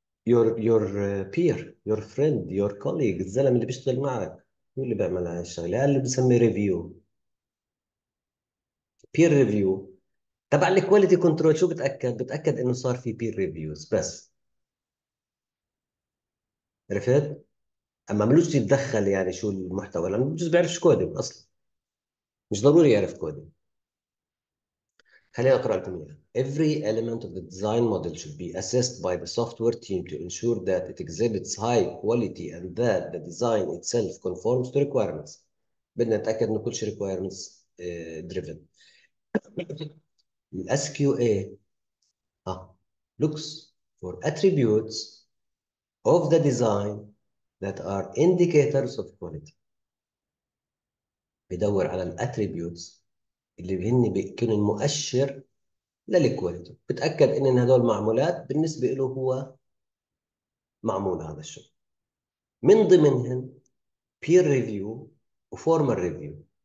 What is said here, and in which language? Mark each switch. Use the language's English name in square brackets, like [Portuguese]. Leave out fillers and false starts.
[English] your peer, your friend, your colleague، [Arabic] الزلم اللي بيشتغل معك هو اللي بيعمل هاي الشغلة، اللي بسميه ريفيو، peer review. تبع الكواليتي كنترول شو بتاكد؟ بتاكد انه صار في بير ريفيوز بس، عرفت؟ اما ملوش يتدخل يعني شو المحتوى، لانه بجوز بيعرفش كودينج اصلا، مش ضروري يعرف كودينج. خلينا نقرأ لكم إياها. [English] Every element of the design model should be assessed by the software team to ensure that it exhibits high quality and that the design itself conforms to requirements. [Arabic] بدنا نتأكد إن كل شيء requirements driven. الـ [English] SQA looks for attributes of the design that are indicators of quality. [Arabic] بدور على الـ attributes اللي هن بيكون المؤشر للكواليتي، بتأكد ان هدول معمولات بالنسبه له هو معمول هذا الشغل. من ضمنهم بير ريفيو وفورمال ريفيو.